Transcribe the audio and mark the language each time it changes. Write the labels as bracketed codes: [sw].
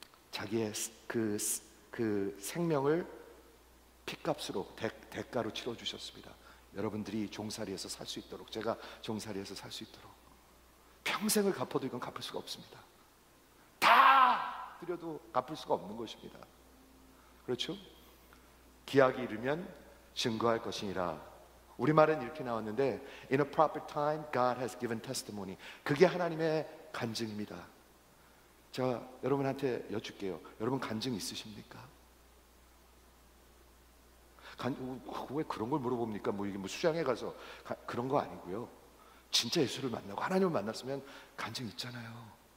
[ko] 자기의 그 생명을 피값으로 대가로 치러주셨습니다. 여러분들이 종살이에서 살 수 있도록, 제가 종살이에서 살 수 있도록 평생을 갚아도 이건 갚을 수가 없습니다. 다 드려도 갚을 수가 없는 것입니다. 그렇죠? 기약이 이르면 증거할 것이니라. 우리말은 이렇게 나왔는데 [en] In a proper time, God has given testimony. [ko] 그게 하나님의 간증입니다. 제가 여러분한테 여쭐게요. 여러분 간증 있으십니까? 왜 그런 걸 물어봅니까? 뭐 이게 뭐 수장에 가서 그런 거 아니고요. 진짜 예수를 만나고 하나님을 만났으면 간증 있잖아요.